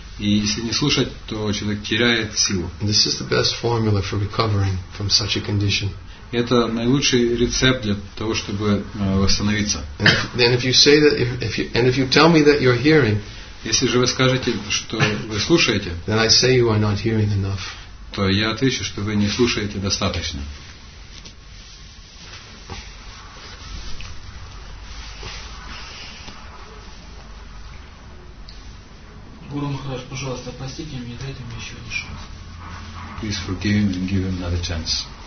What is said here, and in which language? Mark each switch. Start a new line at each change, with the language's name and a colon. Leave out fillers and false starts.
Russian: И если не слушать, то человек теряет силу.
English: This is the best formula for recovering from such a condition.
Russian: Это наилучший рецепт для того, чтобы восстановиться.
English: Then if you say that, if you tell me that you're hearing.
Russian: Если же вы скажете, что вы слушаете,
English: then I say you are not hearing enough.
Russian: То я отвечу, что вы не слушаете достаточно. Гуру Махарадж, пожалуйста, простите меня, дайте мне еще один шанс.
English: Please forgive him and give him another chance.